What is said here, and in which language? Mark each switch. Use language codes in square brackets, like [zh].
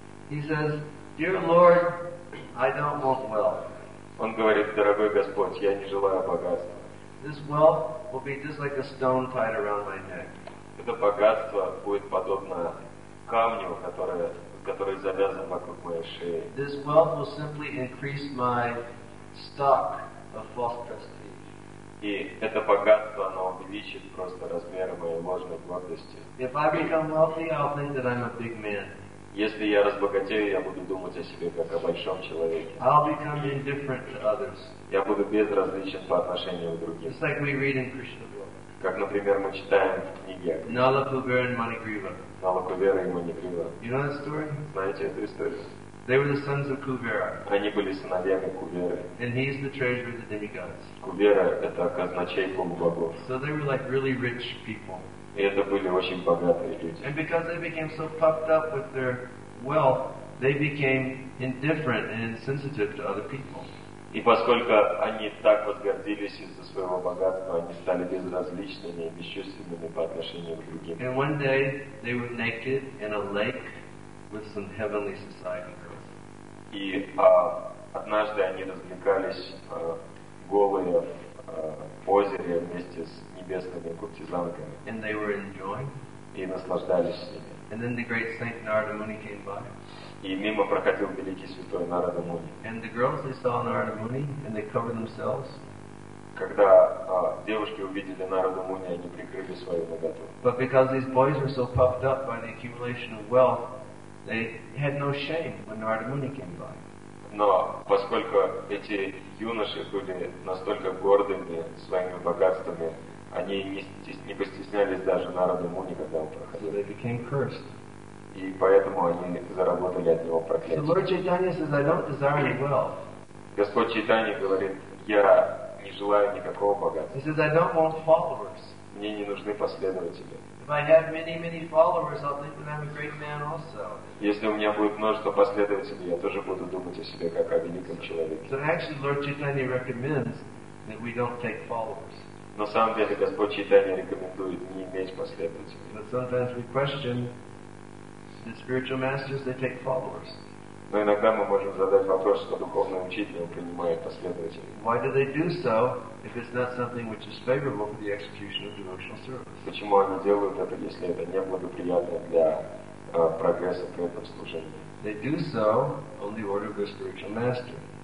[en] He says, "Dear Lord, I don't want wealth." [ru] Он говорит, дорогой Господь, я не желаю богатства. [en] this wealth will be just like a stone tied around my neck. [ru] Это богатство будет подобно камню, который завязан вокруг моей шеи. [en] This wealth will simply increase my stock of false prestige. [ru] И это богатство, оно увеличит просто размеры моей ложной гордости. [en] If I become wealthy, I'll think that I'm a big man. [ru] Если я разбогатею, я буду думать о себе как о большом человеке. [en] I'll become indifferent to others. [ru] Я буду безразличен по отношению к другим. [en] Just like we read in Krishna book. [ru] Как, например, мы читаем в книге. [en] Nala Kuvera and Manigriva. [ru] Nala Kuvera и Manigriva. [en] You know that story? [ru] Знаете эту историю? [en] They were the sons of Kuvera. [ru] Они были сыновьями Куверы. [en] And he is the treasurer of the demigods. [ru] Кувера это казначей полубогов. [en] So they were like really rich people. [ru] И это были очень богатые люди. [en] And because they became so puffed up with their wealth, they became indifferent and insensitive to other people. [ru] И поскольку они так возгордились из-за своего богатства, они стали безразличными и бесчувственными по отношению к другим. [en] And one day they were naked in a lake with some heavenly society girls. [ru] И однажды они развлекались голые в озере вместе с небесными куртизанками. [en] And they were enjoying. [ru] И наслаждались ними. [en] And then the great Saint Narada Muni came by. [ru] И мимо проходил великий святой Нарада Муни. [en] And the girls they saw Narada Muni and they covered themselves. [ru] Когда девушки увидели Нараду Муни, они прикрыли свою наготу. [en] But because these boys were so puffed up by the accumulation of wealth, they had no shame when Narada Muni came by. [ru] Но поскольку эти юноши были настолько гордыми своими богатствами, они не постеснялись даже Нараду Муни, когда он проходил. [en] So they became cursed. [ru] И поэтому они заработали от него проклятие. [en] So Lord Chaitanya says, I don't desire any wealth. [ru] Господь Чайтанья говорит, я не желаю никакого богатства. [en] He says, I don't want followers. [ru] Мне не нужны последователи. [en] If I have many, many followers, I'll think that I'm a great man also. [ru] Если у меня будет множество последователей, я тоже буду думать о себе как о великом человеке. [en] So actually, Lord Chaitanya recommends that we don't take followers. [ru] На самом деле, Господь Чайтанья рекомендует не иметь последователей. [en] But sometimes we question the spiritual masters, they take followers. [ru] Но иногда мы можем задать вопрос, что духовный учитель принимает последователей. [en] Why do they do so if it's not something which is favorable for the execution of devotional service? [ru] Почему они делают это, если это не благоприятно для прогресса при этом служении? [en] They do so on the order of the spiritual master.